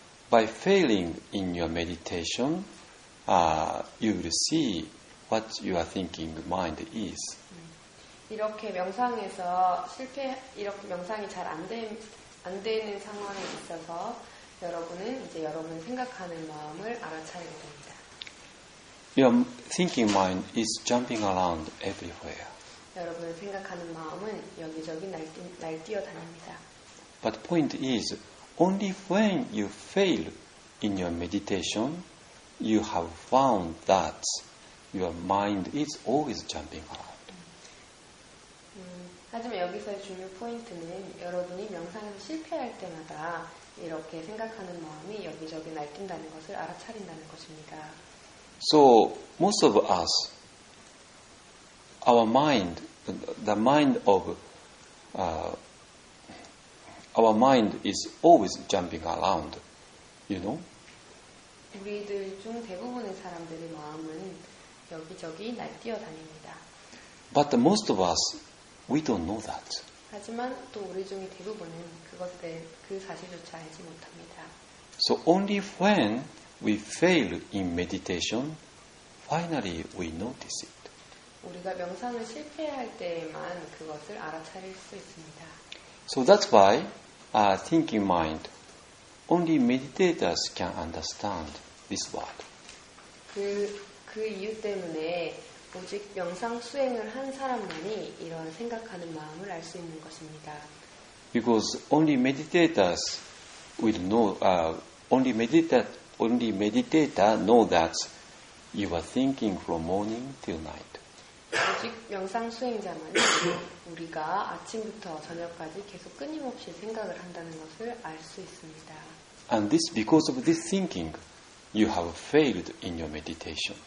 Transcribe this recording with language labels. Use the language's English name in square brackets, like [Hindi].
[English] By failing in your meditation, you will see what your thinking mind is. [Korean] 이렇게 명상에서 이렇게 명상이 잘 안 되는 상황에 있어서 여러분은 이제 여러분 생각하는 마음을 알아차리게 됩니다. [English] Your thinking mind is jumping around everywhere. [Korean] 여러분의 생각하는 마음은 여기저기 날뛰어 다닙니다. [English] But point is, only when you fail in your meditation, you have found that your mind is always jumping around. [Korean] 하지만 여기서의 중요 포인트는 여러분이 명상에서 실패할 때마다 이렇게 생각하는 마음이 여기저기 날뛴다는 것을 알아차린다는 것입니다. [English] So, most of us, our mind, the mind of, our mind is always jumping around, you know? [Korean] 우리들 중 대부분의 사람들의 마음은 여기저기 날뛰어 다닙니다. [English] But most of us, We don't know that. [Korean] 하지만 또 우리 중에 대부분은 그것에 그 사실조차 알지 못합니다. [English] So only when we fail in meditation, finally we notice it. [Korean] 우리가 명상을 실패할 때에만 그것을 알아차릴 수 있습니다. [English] So that's why a thinking mind only meditators can understand this word. [Korean] 그 이유 때문에 오직 명상 수행을 한 사람만이 이런 생각하는 마음을 알 수 있는 것입니다. [English] Because only meditators will know, only meditator know that you are thinking from morning till night. [Korean] 오직 명상 수행자만이 우리가 아침부터 저녁까지 계속 끊임없이 생각을 한다는 것을 알 수 있습니다. [English] And this, because of this thinking, you have failed in your meditation.